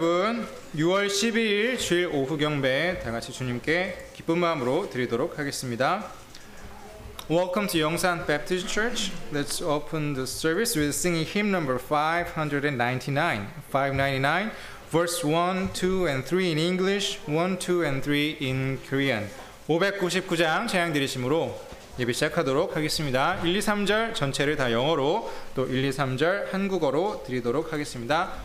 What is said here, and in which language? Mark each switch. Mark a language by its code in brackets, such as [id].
[ko] 6월 12일 주일 오후 경배 다 같이 주님께 기쁜 마음으로 드리도록 하겠습니다. [en] Welcome to Yongsan Baptist Church. Let's open the service with singing hymn number 599. Verse 1, 2, and 3 in English, 1, 2, and 3 in Korean. [ko] 599장 찬양 드리심으로 예배 시작하도록 하겠습니다. 1, 2, 3절 전체를 다 영어로 또 1, 2, 3절 한국어로 드리도록 하겠습니다.